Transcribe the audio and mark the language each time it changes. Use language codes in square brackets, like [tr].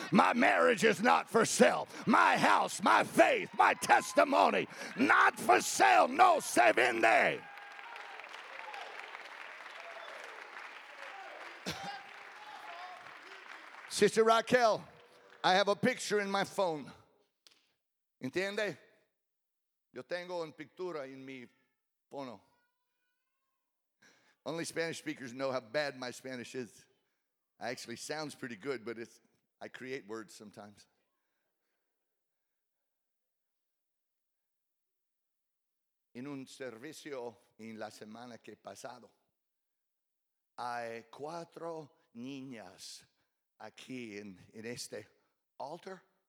[en] My marriage is not for sale. My house, my faith, my testimony, not for sale. [es] No se vende. [en] Sister Raquel, I have a picture in my phone. [es] ¿Entiende? Yo tengo una pintura en mi phone. [en] Only Spanish speakers know how bad my Spanish is. It actually sounds pretty good, but I create words sometimes. [es] En un servicio en la semana que pasado, hay cuatro niñas aquí en este altar.